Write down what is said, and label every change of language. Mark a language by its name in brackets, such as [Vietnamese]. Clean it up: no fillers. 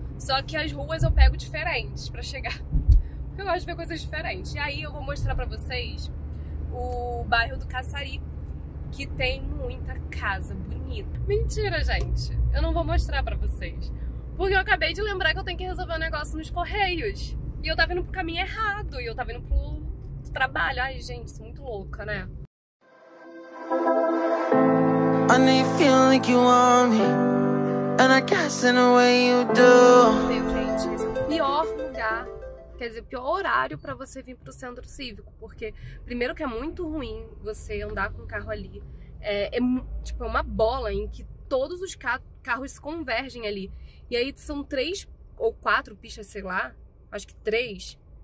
[Portuguese] Só que as ruas eu pego diferentes pra chegar. Porque eu gosto de ver coisas diferentes. E aí eu vou mostrar pra vocês o bairro do Caçari, que tem muita casa bonita. Mentira, gente. Eu não vou mostrar pra vocês. Porque eu acabei de lembrar que eu tenho que resolver um negócio nos Correios. E eu tava indo pro caminho errado, e eu tava indo pro trabalho. Ai, gente, sou muito louca, né? [English] I need feeling like you want me, and I guess in a way you do. [Portuguese] Meu, gente, esse é o pior lugar, quer dizer, o pior horário pra você vir pro centro cívico. Porque, primeiro que é muito ruim você andar com o carro ali. É tipo, é uma bola em que todos os carros convergem ali. E aí são 3 ou 4 pistas, sei lá. Acho que 3.